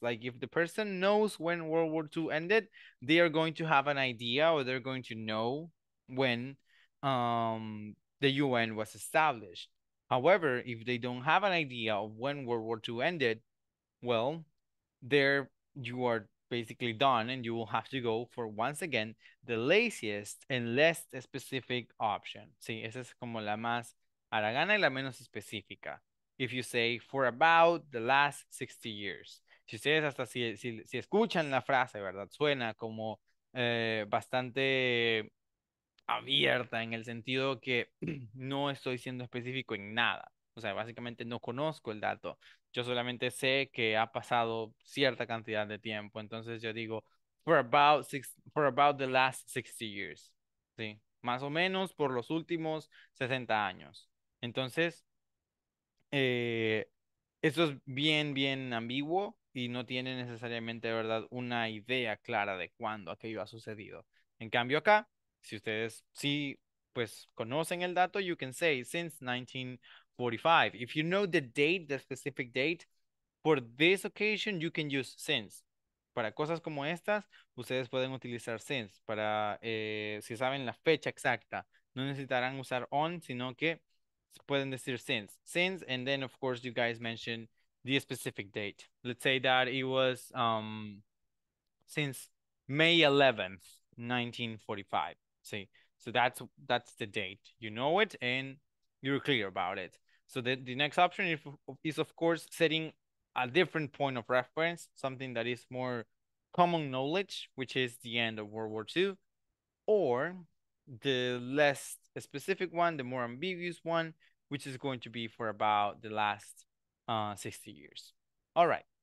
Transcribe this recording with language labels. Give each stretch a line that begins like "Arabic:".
English: Like, if the person knows when World War II ended, they are going to have an idea, or they're going to know when the UN was established. However, if they don't have an idea of when World War II ended, well, there you are basically done, and you will have to go for, once again, the laziest and less specific option.
Spanish: Sí, esa es como la más haragana y la menos específica.
English: If you say, for about the last 60 years.
Spanish: Si ustedes hasta si escuchan la frase, ¿verdad? Suena como bastante abierta, en el sentido que no estoy siendo específico en nada. O sea, básicamente no conozco el dato. Yo solamente sé que ha pasado cierta cantidad de tiempo. Entonces yo digo,
English: for about the last 60 years.
Spanish: ¿Sí? Más o menos por los últimos 60 años. Entonces, eso es bien, bien ambiguo y no tiene necesariamente, ¿verdad?, una idea clara de cuándo aquello ha sucedido. En cambio acá, si ustedes sí, pues, conocen el dato,
English: you can say since 1945. If you know the date, the specific date, for this occasion, you can use since.
Spanish: Para cosas como estas, ustedes pueden utilizar since. Para, si saben la fecha exacta, no necesitarán usar on, sino que pueden decir since.
English: Since, and then, of course, you guys mentioned the specific date. Let's say that it was since May 11th. 1945. See, so that's the date. You know it and you're clear about it. So the next option is of course setting a different point of reference, something that is more common knowledge, which is the end of World War II, or the less specific one, the more ambiguous one, which is going to be for about the last 60 years. All right.